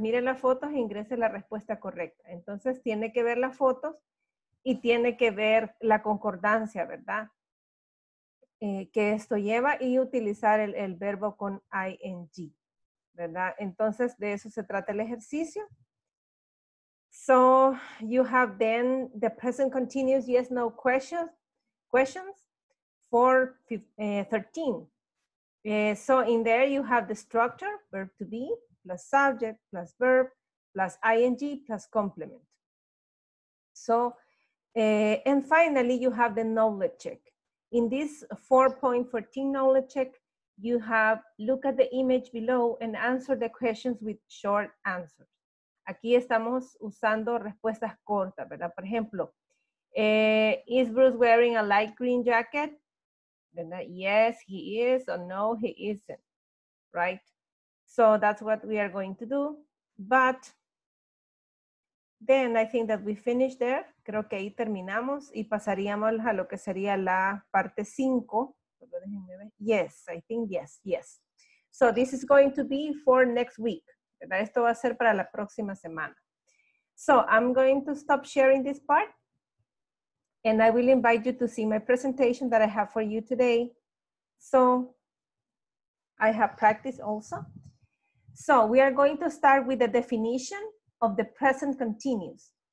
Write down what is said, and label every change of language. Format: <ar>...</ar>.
<es>Miren las fotos e ingrese la respuesta correcta. Entonces, tiene que ver las fotos. Y tiene que ver la concordancia, ¿verdad? Que esto lleva y utilizar el verbo con ing, ¿verdad? Entonces, de eso se trata el ejercicio.</es> <en>So, you have then the present continuous yes, no questions for 13. So, in there you have the structure, verb to be, plus subject, plus verb, plus ing, plus complement. So, and finally, you have the knowledge check. In this 4.14 knowledge check, you have look at the image below and answer the questions with short answers.</en> <es>Aquí estamos usando respuestas cortas, ¿verdad? Por ejemplo,</es> <en>is Bruce wearing a light green jacket?</en> <es>¿Verdad?</es> <en>Yes, he is, or no, he isn't, right? So that's what we are going to do, but then I think that we finished there.</en> <es>Creo que ahí terminamos y pasaríamos a lo que sería la parte 5.</es> <en>Yes, I think yes, yes. So this is going to be for next week.</en> <es>¿Verdad? Esto va a ser para la próxima semana.</es> <en>So I'm going to stop sharing this part. And I will invite you to see my presentation that I have for you today. So I have practice also. So we are going to start with the definition of the present continuous.</en>